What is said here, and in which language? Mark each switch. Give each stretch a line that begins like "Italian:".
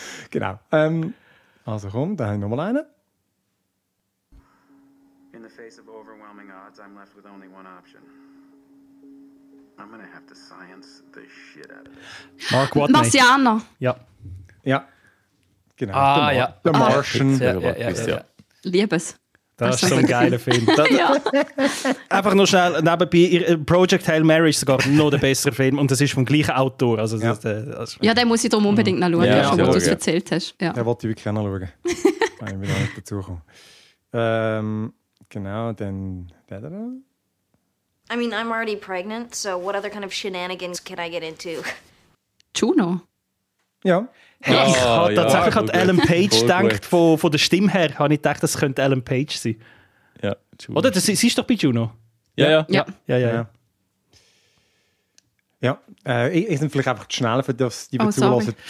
German: Genau. Also komm, da haben wir nochmal einen.
English: In the face of overwhelming odds, I'm left with only one option. I'm gonna have to science the shit out of it.
German: Mark Watney. Marciano. Ja. Ja. Genau. Ah, The Martian. Liebes. Das ist so ein geiler Film. Ja. Einfach nur schnell nebenbei, Project Hail Mary ist sogar noch der bessere Film und das ist vom gleichen Autor. Also ja. Also den muss ich darum unbedingt noch schauen, schon was du es erzählt hast. Ja. Den wollte ich wirklich auch noch schauen. Wenn ich mir da nicht dazukomme. Genau, dann der.
English: I mean, I'm already pregnant, so what other kind of shenanigans can I get into?
German: Juno? Ja. Hey, ich habe tatsächlich an Ellen Page gedacht, von der Stimme her. Habe ich gedacht, das könnte Ellen Page sein. Ja, Juno. Oder sie ist doch bei Juno. Ja. Ich bin vielleicht einfach zu schnell, für das, die wir zuhören.